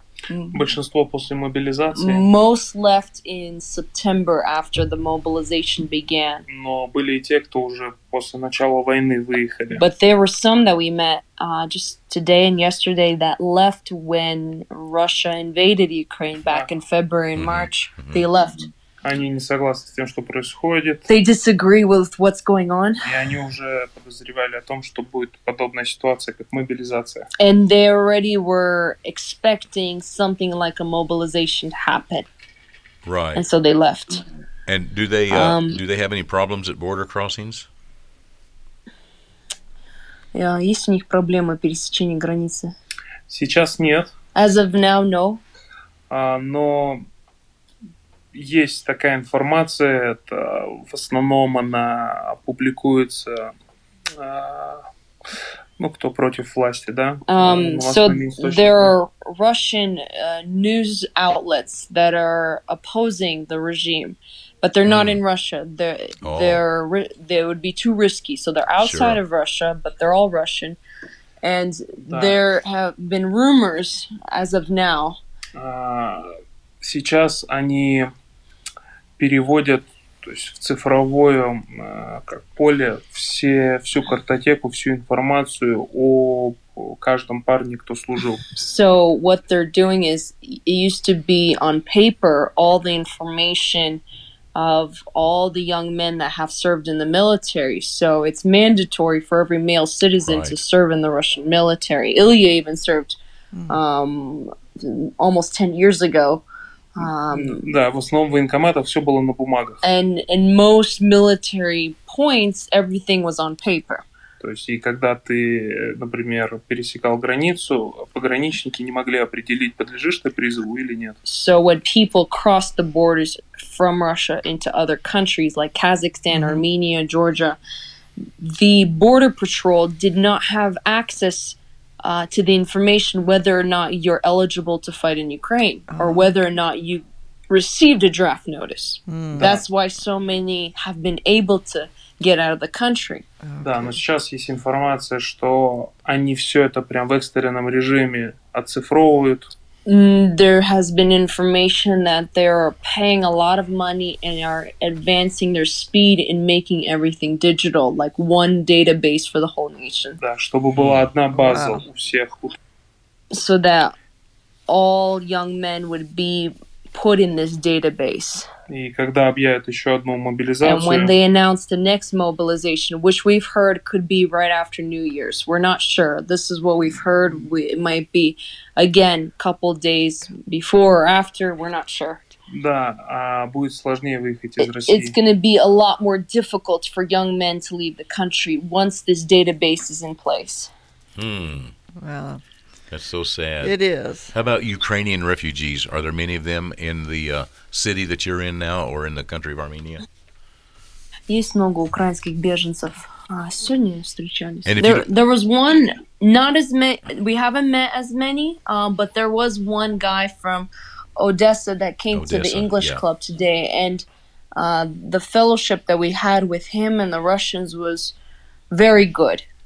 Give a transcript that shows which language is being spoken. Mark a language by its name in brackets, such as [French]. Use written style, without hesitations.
[Russian] Большинство после мобилизации. [English] Most left in September after the mobilization began. [Russian] Но были и те, кто уже после начала войны выехали. [English] But there were some that we met just today and yesterday that left when Russia invaded Ukraine back in February and March. They left. [Russian] Они не согласны с тем, что происходит. [English] They disagree with what's going on. [Russian] И они уже подозревали о том, что будет подобная ситуация, как мобилизация. [English] And they already were expecting something like a mobilization to happen. Right. And so they left. And do they have any problems at border crossings? [Russian] Есть у них проблемы пересечения границы? Сейчас нет. [English] As of now, no. [Russian] Но... Есть такая информация, это в основном она публикуется, ну, кто против власти, да? [English] So there are Russian news outlets that are opposing the regime, but they're not in Russia. They would be too risky, so they're outside of Russia, but they're all Russian. And there have been rumors as of now. [Russian] Сейчас они... переводят то есть в цифровое как поле всю картотеку, всю информацию о каждом парне, кто служил. [English] So what they're doing is, it used to be on paper all the information of all the young men that have served in the military. So it's mandatory for every male citizen right. to serve in the Russian military. Ilya even served almost 10 years ago. [Russian] Да, в основном военкомата все было на бумагах. [English] And most military points, everything was on paper. [Russian] То есть, и когда ты, например, пересекал границу, пограничники не могли определить, подлежишь ты призыву или нет. [English] So when people crossed the borders from Russia into other countries like Kazakhstan, mm-hmm. Armenia, Georgia, the border patrol did not have access to the information whether or not you're eligible to fight in Ukraine or whether or not you received a draft notice. That's why so many have been able to get out of the country. [Russian] Да, но сейчас есть информация, что они все это прям в экстренном режиме оцифровывают. [English] There has been information that they are paying a lot of money and are advancing their speed in making everything digital, like one database for the whole nation. [Russian] Да, чтобы была одна база у всех. [English] So that all young men would be put in this database. [Russian] И когда объявят еще одну мобилизацию. [English] And when they announce the next mobilization, which we've heard could be right after New Year's. We're not sure. This is what we've heard. It might be, again, a couple days before or after. We're not sure. [Russian] Да, будет сложнее выехать из России. [English] It's going to be a lot more difficult for young men to leave the country once this database is in place. Hmm. Well, that's so sad. It is. How about Ukrainian refugees? Are there many of them in the city that you're in now or in the country of Armenia? [Russian] Есть много украинских беженцев. Сегодня встречались. [English] There was one, not as many, we haven't met as many, but there was one guy from Odessa that came to the English club today. And the fellowship that we had with him and the Russians was very good.